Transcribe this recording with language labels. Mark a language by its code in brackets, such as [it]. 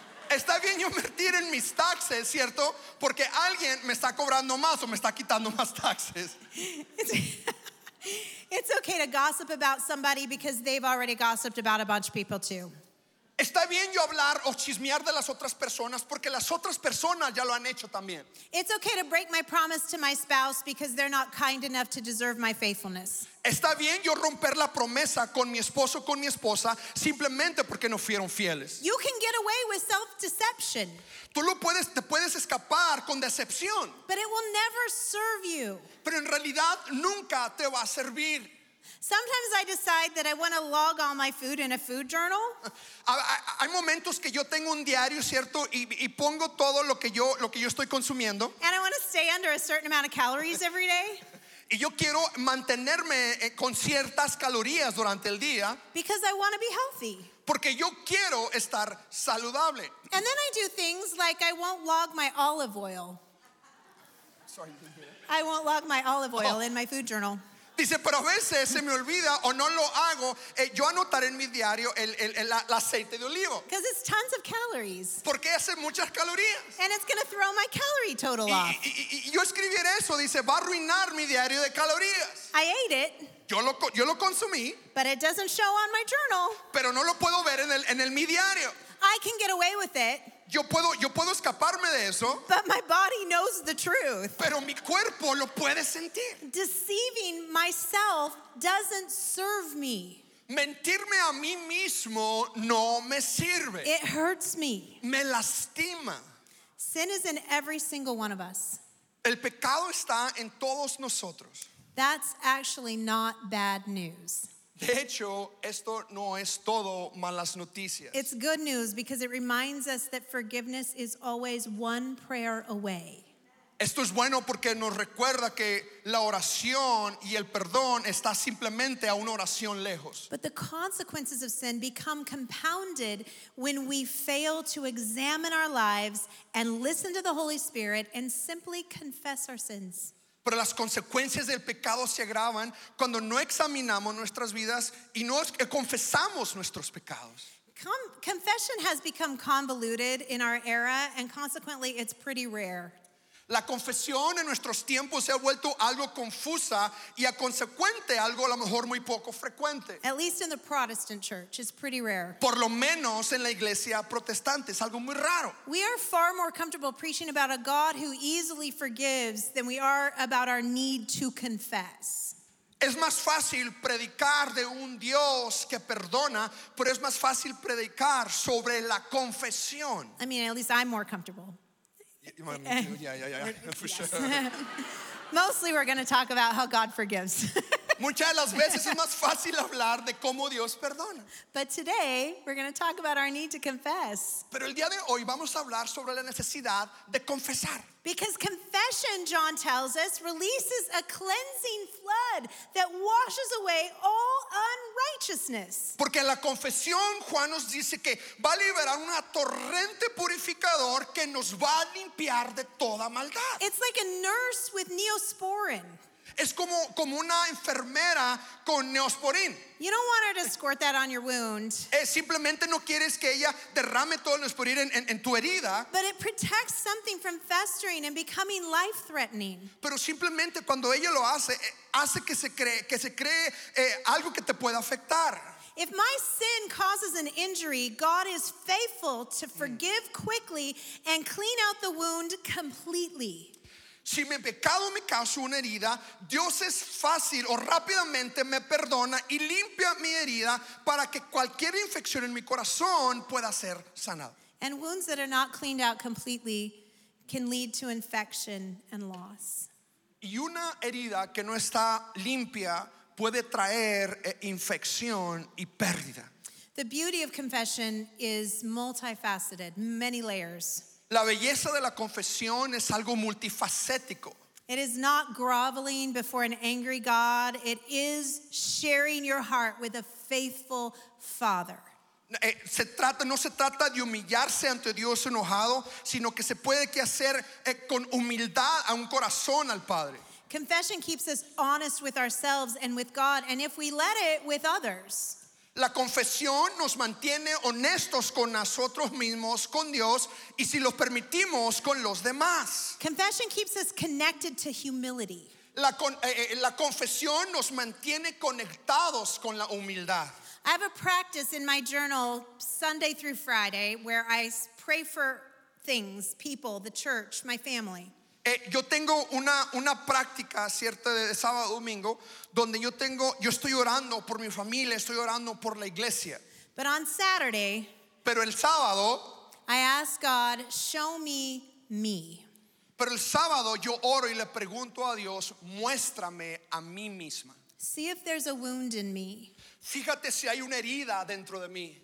[es] Está bien yo mentir en mis taxes, ¿cierto? Porque alguien me está cobrando más o me está quitando más taxes. [en] It's okay to gossip about somebody because they've already gossiped about a bunch of people too. [es] Está bien yo hablar o chismear de las otras personas porque las otras personas ya lo han hecho también. [en] It's okay to break my promise to my spouse because they're not kind enough to deserve my faithfulness. [es] Está bien yo romper la promesa con mi esposo o con mi esposa simplemente porque no fueron fieles. [en] You can get away with self-deception. [es] Tú lo puedes, te puedes escapar con decepción. [en] But it will never serve you. [es] Pero en realidad nunca te va a servir. [en] Sometimes I decide that I want to log all my food in a food journal. [es] Hay momentos que yo tengo un diario, ¿cierto? Y pongo todo lo que yo estoy consumiendo. [en] And I want to stay under a certain amount of calories every day. [es] Y yo quiero mantenerme con ciertas calorías durante el día. [en] Because I want to be healthy. [es] Porque yo quiero estar saludable. [en] And then I do things like I won't log my olive oil. Sorry. I won't log my olive oil in my food journal. [es] Dice, pero a veces se me olvida o no lo hago, yo anotaré en mi diario el aceite de olivo. [en] Because it's tons of calories. [es] Porque hace muchas calorías. [en] And it's going to throw my calorie total off. [es] Y yo escribiré eso, dice, va a arruinar mi diario de calorías. [en] I ate it. [es] Yo lo consumí. [en] But it doesn't show on my journal. [es] Pero no lo puedo ver en mi diario. [en] I can get away with it. [es] Yo puedo escaparme de eso. [en] But my body knows the truth. [es] Pero mi cuerpo lo puede sentir. [en] Deceiving myself doesn't serve me. [es] Mentirme a mí mismo no me sirve. [en] It hurts me. [es] Me lastima. [en] Sin is in every single one of us. [es] El pecado está en todos nosotros. [en] That's actually not bad news. [es] De hecho, esto no es todo malas noticias. [en] It's good news because it reminds us that forgiveness is always one prayer away. [es] Esto es bueno porque nos recuerda que la oración y el perdón está simplemente a una oración lejos. [en] But the consequences of sin become compounded when we fail to examine our lives and listen to the Holy Spirit and simply confess our sins. [es] Pero las consecuencias del pecado se agravan cuando no examinamos nuestras vidas y no confesamos nuestros pecados. [en] Confession has become convoluted in our era, and consequently it's pretty rare. [es] La confesión en nuestros tiempos se ha vuelto algo confusa y a consecuente algo a lo mejor muy poco frecuente. [en] At least in the Protestant church, it's pretty rare. [es] Por lo menos en la iglesia protestante, es algo muy raro. [en] We are far more comfortable preaching about a God who easily forgives than we are about our need to confess. [es] Es más fácil predicar de un Dios que perdona, pero es más fácil predicar sobre la confesión. [en] I mean, at least I'm more comfortable. Yeah. Mostly we're going to talk about how God forgives. [es] Muchas de las veces es más fácil hablar de cómo Dios perdona. [en] But today we're going to talk about our need to confess. [es] Pero el día de hoy vamos a hablar sobre la necesidad de confesar. [en] Because confession, John tells us, releases a cleansing flood that washes away all unrighteousness. [es] Porque la confesión, Juan nos dice que va a liberar una torrente purificador que nos va a limpiar de toda maldad. [en] It's like a nurse with Neosporin. [es] Es como una enfermera con Neosporin. [en] You don't want her to squirt that on your wound. [es] Simplemente no quieres que ella derrame todo el Neosporin en tu herida. [en] But it protects something from festering and becoming life-threatening. [es] Pero simplemente cuando ella lo hace, hace que se cree algo que te pueda afectar. [en] If my sin causes an injury, God is faithful to forgive quickly and clean out the wound completely. [es] Si mi pecado me causa una herida, Dios es fácil o rápidamente me perdona y limpia mi herida para que cualquier infección en mi corazón pueda ser sanada. [en] And wounds that are not cleaned out completely can lead to infection and loss. [es] Y una herida que no está limpia puede traer infección y pérdida. [en] The beauty of confession is multifaceted, many layers. [es] La belleza de la confesión es algo multifacético. [en] It is not groveling before an angry God. It is sharing your heart with a faithful Father. [es] No se trata de humillarse ante Dios enojado, sino que se puede que hacer con humildad a un corazón al Padre. [en] Confession keeps us honest with ourselves and with God, and if we let it, with others. [es] La confesión nos mantiene honestos con nosotros mismos, con Dios, y si lo permitimos, con los demás. [en] Confession keeps us connected to humility. [es] La confesión nos mantiene conectados con la humildad. [en] I have a practice in my journal Sunday through Friday where I pray for things, people, the church, my family. [es] Yo tengo una práctica cierta de sábado a domingo donde yo estoy orando por mi familia, estoy orando por la iglesia. [en] But on Saturday, [es] pero el sábado, [en] I ask God, show me me. [es] Pero el sábado yo oro y le pregunto a Dios, muéstrame a mí misma. [en] See if there's a wound in me. [es] Fíjate si hay una herida dentro de mí.